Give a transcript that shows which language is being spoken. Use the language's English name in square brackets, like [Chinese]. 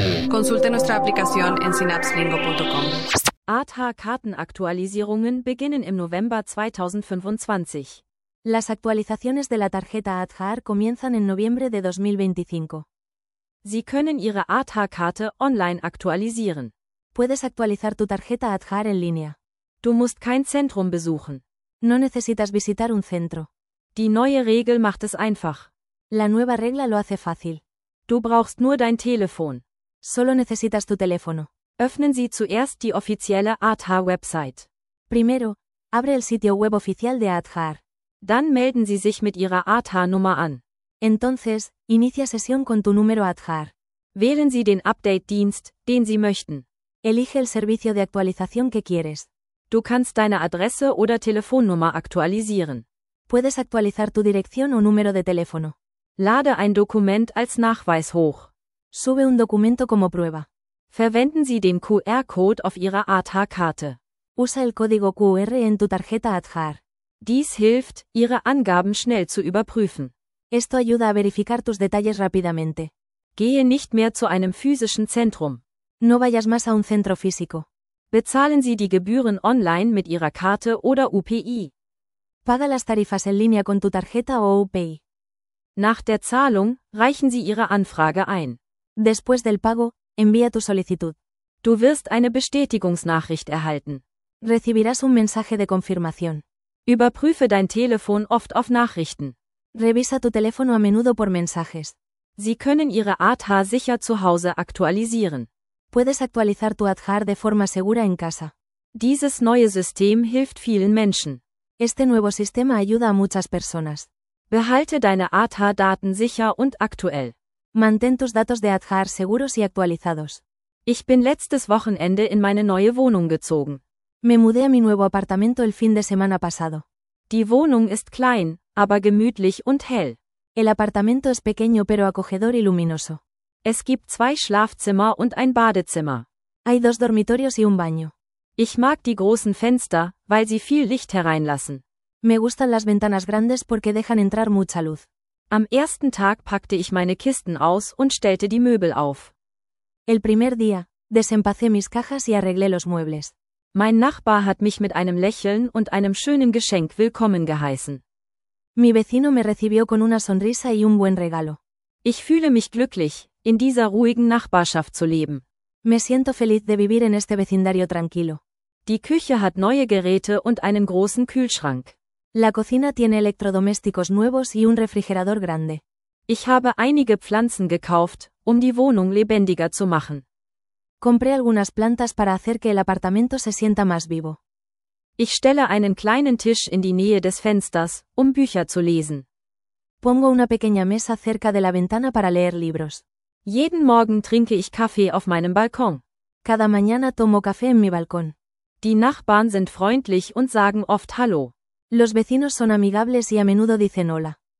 [Spanish] Consulte nuestra aplicación en synapselingo.com. [German] ADHA-Kartenaktualisierungen beginnen im November 2025. [Spanish] Las actualizaciones de la tarjeta ADHA comienzan en noviembre de 2025. [German] Sie können Ihre ADHA-Karte online aktualisieren. [Spanish] Puedes actualizar tu tarjeta ADHA en línea. [German] Du musst kein Zentrum besuchen. [Spanish] No necesitas visitar un centro. [German] Die neue Regel macht es einfach. [Spanish] La nueva regla lo hace fácil. [German] Du brauchst nur dein Telefon. [Spanish] Solo necesitas tu teléfono. [German] Öffnen Sie zuerst die offizielle ADHA-Website. [Spanish] Primero, abre el sitio web oficial de ADHA. [German] Dann melden Sie sich mit Ihrer ADHA-Nummer an. [Spanish] Entonces, inicia sesión con tu número ADHA. [German] Wählen Sie den Update-Dienst, den Sie möchten. [Spanish] Elige el servicio de actualización que quieres. [German] Du kannst deine Adresse oder Telefonnummer aktualisieren. [Spanish] Puedes actualizar tu dirección o número de teléfono. [German] Lade ein Dokument als Nachweis hoch. [Spanish] Sube un documento como prueba. [German] Verwenden Sie den QR-Code auf Ihrer ADHA-Karte. [Spanish] Usa el código QR en tu tarjeta ADHA. [German] Dies hilft, Ihre Angaben schnell zu überprüfen. [Spanish] Esto ayuda a verificar tus detalles rápidamente. [German] Gehe nicht mehr zu einem physischen Zentrum. [Spanish] No vayas más a un centro físico. [German] Bezahlen Sie die Gebühren online mit Ihrer Karte oder UPI. [Spanish] Paga las tarifas en línea con tu tarjeta o UPI. [German] Nach der Zahlung reichen Sie Ihre Anfrage ein. [Spanish] Después del pago, envía tu solicitud. [German] Du wirst eine Bestätigungsnachricht erhalten. [Spanish] Recibirás un mensaje de confirmación. [German] Überprüfe dein Telefon oft auf Nachrichten. [Spanish] Revisa tu teléfono a menudo por mensajes. [German] Sie können Ihre ADHA sicher zu Hause aktualisieren. [Spanish] Puedes actualizar tu ADHA de forma segura en casa. [German] Dieses neue System hilft vielen Menschen. [Spanish] Este nuevo sistema ayuda a muchas personas. [German] Behalte deine ADHA-Daten sicher und aktuell. [Spanish] Mantén tus datos de ADHA seguros y actualizados. [German] Ich bin letztes Wochenende in meine neue Wohnung gezogen. [Spanish] Me mudé a mi nuevo apartamento el fin de semana pasado. [German] Die Wohnung ist klein, aber gemütlich und hell. [Spanish] El apartamento es pequeño pero acogedor y luminoso. [German] Es gibt zwei Schlafzimmer und ein Badezimmer. [Spanish] Hay dos dormitorios y un baño. [German] Ich mag die großen Fenster, weil sie viel Licht hereinlassen. [Spanish] Me gustan las ventanas grandes porque dejan entrar mucha luz. [German] Am ersten Tag packte ich meine Kisten aus und stellte die Möbel auf. [Spanish] El primer día, desempacé mis cajas y arreglé los muebles. [German] Mein Nachbar hat mich mit einem Lächeln und einem schönen Geschenk willkommen geheißen. [Spanish] Mi vecino me recibió con una sonrisa y un buen regalo. [German] Ich fühle mich glücklich, in dieser ruhigen Nachbarschaft zu leben. [Spanish] Me siento feliz de vivir en este vecindario tranquilo. [German] Die Küche hat neue Geräte und einen großen Kühlschrank. [Spanish] La cocina tiene electrodomésticos nuevos y un refrigerador grande. [German] Ich habe einige Pflanzen gekauft, um die Wohnung lebendiger zu machen. [Spanish] Compré algunas plantas para hacer que el apartamento se sienta más vivo. [German] Ich stelle einen kleinen Tisch in die Nähe des Fensters, um Bücher zu lesen. [Spanish] Pongo una pequeña mesa cerca de la ventana para leer libros. [German] Jeden Morgen trinke ich Kaffee auf meinem Balkon. [Spanish] Cada mañana tomo café en mi balcón. [German] Die Nachbarn sind freundlich und sagen oft Hallo. [Spanish] Los vecinos son amigables y a menudo dicen hola.